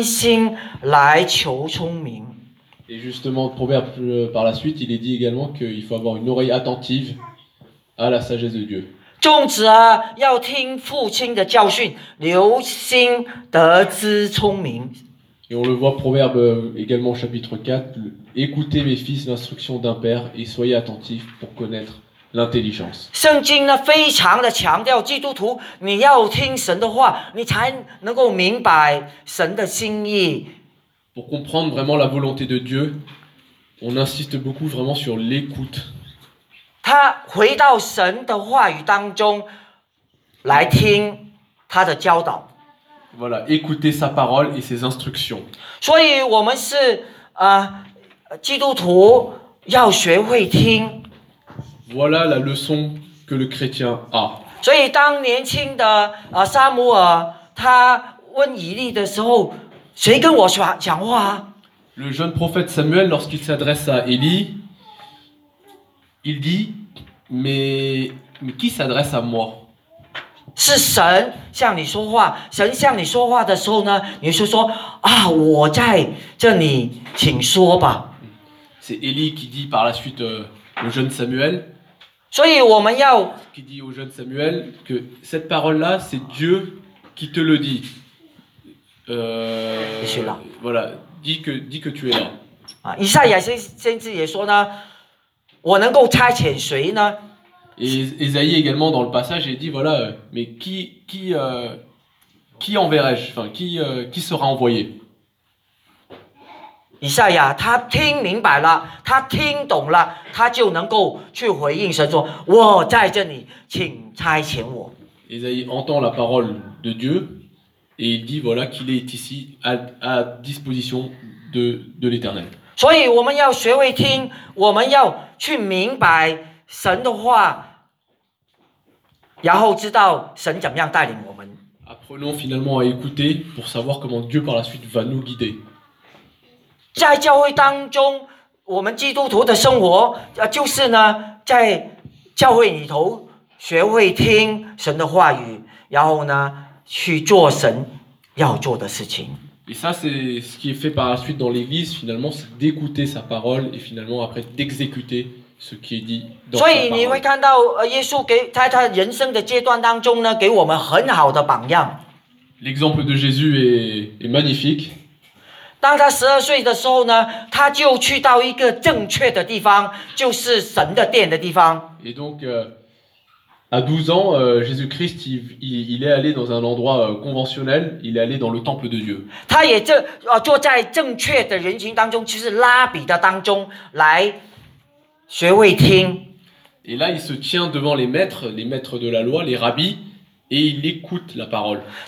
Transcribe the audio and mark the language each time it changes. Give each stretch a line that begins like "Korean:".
Chinese: 箴言的二章二节说：侧耳听智慧，专心来求聪明。
French: Et justement, le proverbe par la suite, il est dit également qu'il faut avoir une oreille attentive à la sagesse de Dieu.
Chinese: 众子啊，要听父亲的教训，留心得知聪明。
French: Et on le voit proverbe également au chapitre 4, écoutez mes fils l'instruction d'un père et soyez attentifs pour connaître l'intelligence.
Chinese: 圣经呢非常的强调基督徒你要听神的话你才能够明白神的心意。
French: Pour comprendre vraiment la volonté de Dieu, on insiste beaucoup vraiment sur l'écoute.
Chinese: 他回到神的话语当中来听他的教导。
French: Voilà, écouter sa parole et ses instructions.
Chinese: 所以我们是基督徒要学会听。
French: Voilà la leçon que le chrétien a.
Chinese: 所以当年轻的撒母耳他问以利的时候谁跟我讲话？
French: Le jeune prophète Samuel, lorsqu'il s'adresse à Élie, il dit, mais qui s'adresse à moi ?
Chinese: 是神向你说话，神向你说话的时候呢，你是说啊，我在这里，请说吧。
French: C'est Élie qui dit par la suite le jeune Samuel.
Chinese: 所以我们要
French: qui dit au jeune Samuel que cette parole-là, c'est Dieu qui te le dit. Voilà, dis que tu es là.
Chinese: 啊，以赛亚先知也说呢，我能够差遣谁呢
French: ？Ésaïe également dans le passage il dit voilà, mais qui enverrai-je? Enfin, qui sera envoyé?
Chinese: 以赛亚他听明白了，他听懂了，他就能够去回应神说，我在这里，请差遣我。
French: Ésaïe entend la parole de Dieu. Et il dit voilà qu'il est ici à disposition de l'Éternel.
Chinese: 所以我们要学会听，我们要去明白神的话，然后知道神怎么样带领我们。
French: Apprenons finalement à écouter pour savoir comment Dieu par la suite va nous guider.
Chinese: 在教会当中，我们基督徒的生活，就是呢，在教会里头学会听神的话语，然后呢。去做神要做的事情。
French: Et ça, c'est ce qui est fait par la suite dans l'Église, finalement, c'est d'écouter sa parole et finalement après d'exécuter ce qui est dit dans sa parole.
Chinese: 所以你会看到耶稣给在他人生的阶段当中呢，给我们很好的榜样。
French: L'exemple de Jésus est magnifique.
Chinese: 当他十二岁的时候呢，他就去到一个正确的地方，就是神的殿的地方。
French: Et donc,À 12 ans, Jésus-Christ, il est allé dans un endroit conventionnel, il est allé dans le temple de Dieu. Et là, il se tient devant les maîtres de la loi, les rabbis, et il écoute la parole.